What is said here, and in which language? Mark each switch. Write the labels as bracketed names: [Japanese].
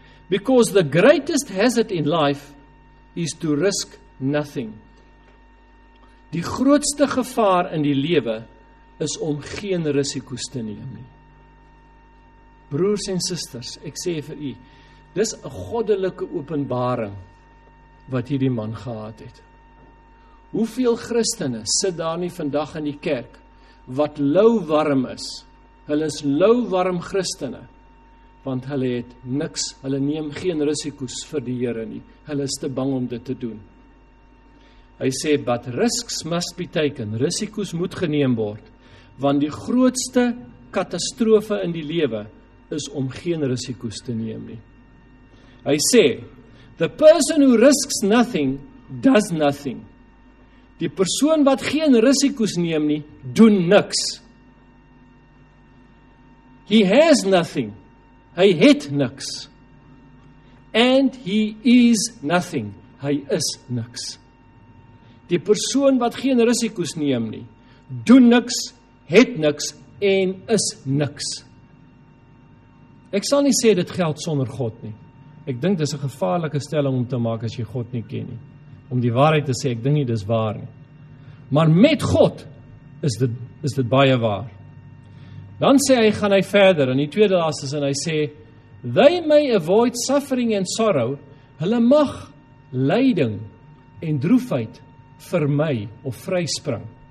[English] Because the greatest hazard in life is to risk nothing. [Afrikaans] Die grootste gevaar in die lewe is om geen risiko's te neem nie. Broers en susters, ek sê vir u, dis 'n goddelike openbaring wat hierdie man gehad het. Hoeveel Christene sit daar nie vandag in die kerk wat lou warm is? Hulle is lou warm Christene, want hulle het niks, hulle neem geen risiko's vir die Here nie. Hulle is te bang om dit te doen. Hy sê, [English] but risks must be taken, [Afrikaans] risiko's moet geneem word. Want die grootste katastrofe in die lewe is om geen risiko's te neem nie. Hy sê, [English] the person who risks nothing, does nothing. [Afrikaans] Die persoon wat geen risiko's neem nie, doen niks. [English] He has nothing. [Afrikaans] Hy het niks. [English] And he is nothing. [Afrikaans] Hy is niks. Die persoon wat geen risiko's neem nie, doen niks, het niks en is niks. Ek sal nie sê dit geld sonder God nie. Ek dink dis 'n gevaarlike stelling om te maak as jy God nie ken nie. Om die waarheid te sê, ek dink nie dis waar nie. Maar met God is dit baie waar. Dan sê hy, gaan hy verder, in die tweede laaste sin, en hy sê, [English] they may avoid suffering and sorrow, [Afrikaans] hulle mag lyding en droefheid vermy of vryspring.